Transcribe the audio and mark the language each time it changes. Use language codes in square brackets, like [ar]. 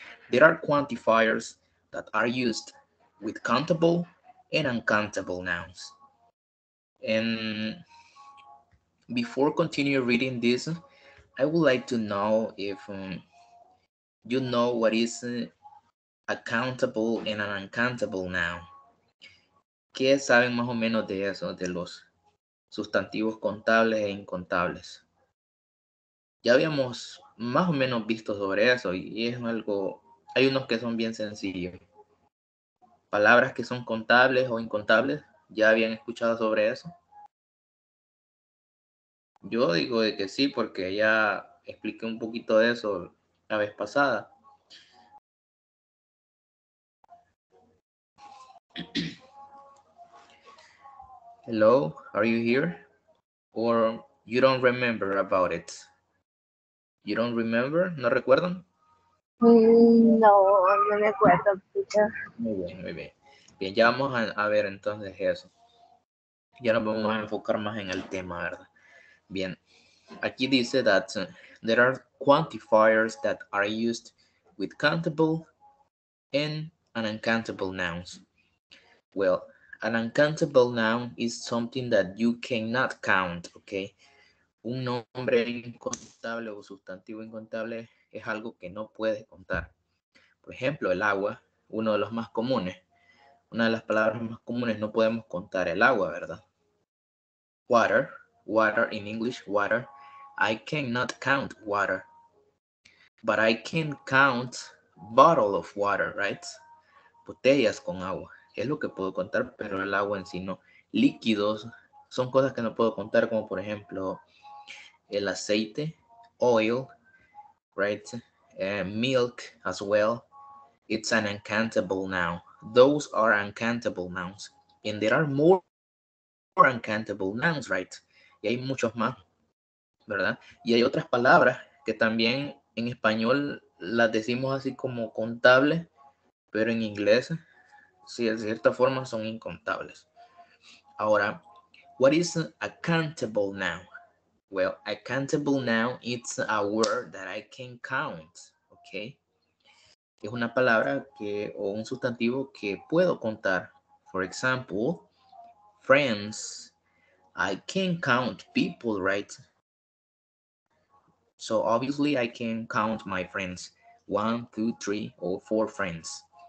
[en] There are quantifiers that are used with countable and uncountable nouns. And before continue reading this, I would like to know if you know what is a countable and an uncountable noun. [es] ¿Qué saben más o menos de eso, de los sustantivos contables e incontables? Ya habíamos más o menos visto sobre eso y es algo, hay unos que son bien sencillos. Palabras que son contables o incontables, ¿ya habían escuchado sobre eso? Yo digo de que sí, porque ya expliqué un poquito de eso la vez pasada. [en] Hello, are you here? Or you don't remember about it? You don't remember? [es] ¿No recuerdan? No, no me acuerdo. Muy bien, muy bien. Bien, ya vamos a ver entonces eso. Ya nos vamos a enfocar más en el tema, ¿verdad? Bien, aquí dice [en] that there are quantifiers that are used with countable and an uncountable nouns. Well, an uncountable noun is something that you cannot count, okay? [es] Un nombre incontable o sustantivo incontable es algo que no puedes contar. Por ejemplo, el agua, uno de los más comunes. Una de las palabras más comunes, no podemos contar el agua, ¿verdad? [en] Water. Water, in English, water. I cannot count water. But I can count bottle of water, right? [es] Botellas con agua. Es lo que puedo contar, pero el agua en sí no. Líquidos son cosas que no puedo contar, como por ejemplo, el aceite, [en] oil, right? Milk as well. It's an uncountable noun. Those are uncountable nouns. And there are more uncountable nouns, right? [es] Y hay muchos más, ¿verdad? Y hay otras palabras que también en español las decimos así como contables, pero en inglés si de cierta forma son incontables. Ahora, [en] what is a countable noun? Well, a countable noun, it's a word that I can count, okay? [es] Es una palabra que, o un sustantivo que puedo contar. [en] For example, friends, I can count people, right? So obviously I can count my friends. 1, 2, 3, or 4 friends.